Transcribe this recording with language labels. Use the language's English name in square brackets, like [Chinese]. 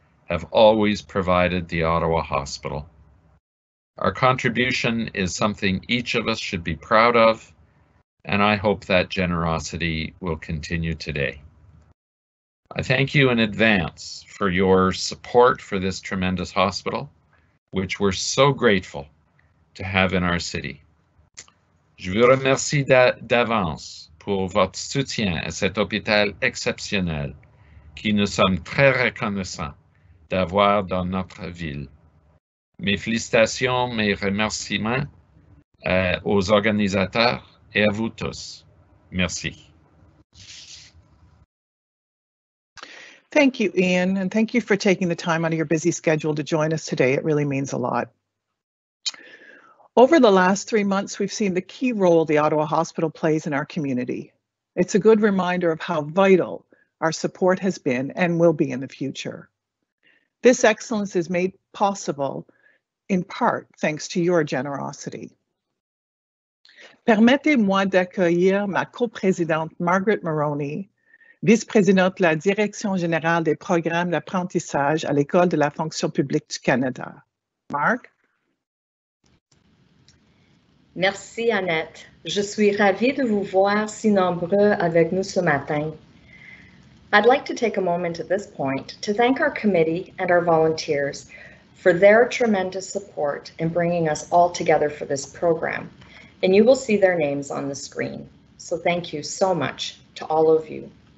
[English] have always provided the Ottawa Hospital. Our contribution is something each of us should be proud of, and I hope that generosity will continue today. I thank you in advance for your support for this tremendous hospital, which we're so grateful to have in our city. [French] Je vous remercie d'avance pour votre soutien à cet hôpital exceptionnel qui nous sommes très reconnaissants d'avoir dans notre ville. Mes félicitations, mes remerciements aux organisateurs et à vous tous. Merci. [English] Thank you, Ian, and thank you for taking the time out of your busy schedule to join us today. It really means a lot. Over the last 3 months, we've seen the key role the Ottawa Hospital plays in our community. It's a good reminder of how vital our support has been and will be in the future. This excellence is made possible in part thanks to your generosity. [French] Permettez-moi d'accueillir ma co-présidente Margaret Maroney, vice-présidente de la Direction générale des programmes d'apprentissage à l'École de la fonction publique du Canada. Mark? Merci, Annette. Je suis ravie de vous voir si nombreux avec nous ce matin. [English] I'd like to take a moment at this point to thank our committee and our volunteers for their tremendous support in bringing us all together for this program. And you will see their names on the screen. So thank you so much to all of you.